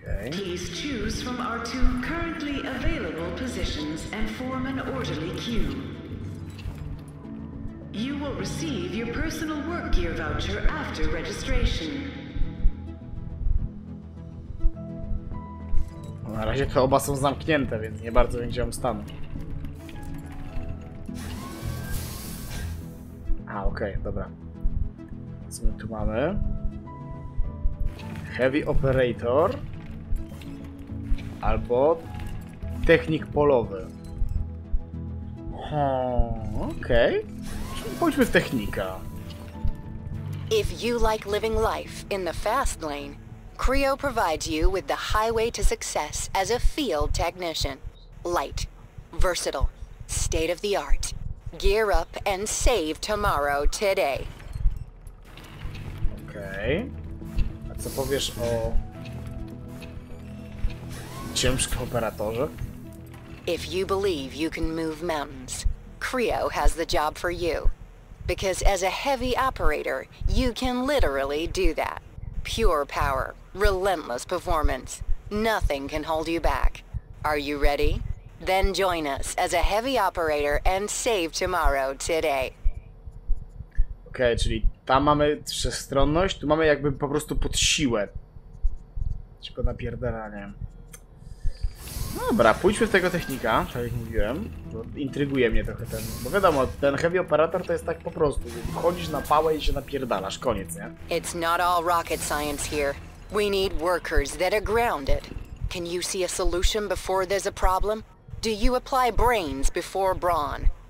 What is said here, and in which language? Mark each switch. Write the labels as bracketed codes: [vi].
[en] Please choose from our two currently available positions and form an orderly queue. You will receive your personal work gear voucher after registration. [pl] Na razie te oba są zamknięte, więc nie bardzo będzie wam stanu. A, okej, okay, dobra. Co my tu mamy? Heavy Operator. Albo technik polowy. Okej. Okay. Pójdźmy w technika. [en] If you like living life in the fast lane, Creo provides you with the highway to success as a field technician. Light, versatile, state of the art. Gear up and save tomorrow today. [pl] Okej. Okay. A co powiesz o ciężkim operatorze? [en] If you believe you can move mountains, Creo has the job for you. Because as a heavy operator, you can literally do that. Pure power, relentless performance. Nothing can hold you back. Are you ready? Then join us as a heavy operator and save tomorrow today. [pl] Okej, okay, czyli tam mamy wszechstronność, tu mamy jakby po prostu pod siłę. Tylko napierdalanie. Dobra, pójdźmy w tego technika, tak jak mówiłem, bo intryguje mnie trochę ten, bo wiadomo, ten heavy operator to jest tak po prostu, wchodzisz na pałę i się napierdalasz, koniec, nie? [en] It's not all rocket science here. We need workers that are grounded. Can you see a solution before there's a problem? Do you apply brains before brawn?